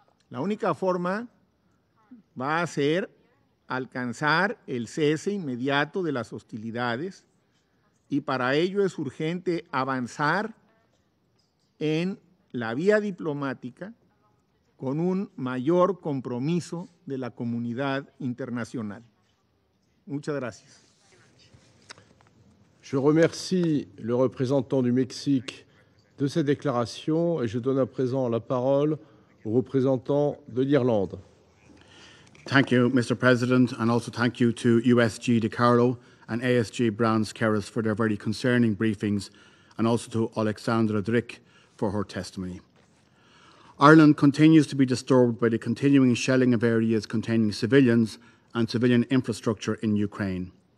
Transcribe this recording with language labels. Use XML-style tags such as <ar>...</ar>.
<es>La única forma va a ser alcanzar el cese inmediato de las hostilidades y para ello es urgente avanzar en la vía diplomática con un mayor compromiso de la comunidad internacional. Muchas gracias.</es> <fr>Je remercie le représentant du Mexique de cette déclaration et je donne à présent la parole au représentant de l'Irlande.</fr> <en>Thank you, Mr. President, and also thank you to USG DiCarlo and ASG Brands-Kerris for their very concerning briefings, and also to Alexandra Drick for her testimony. Ireland continues to be disturbed by the continuing shelling of areas containing civilians and civilian infrastructure in Ukraine.</en>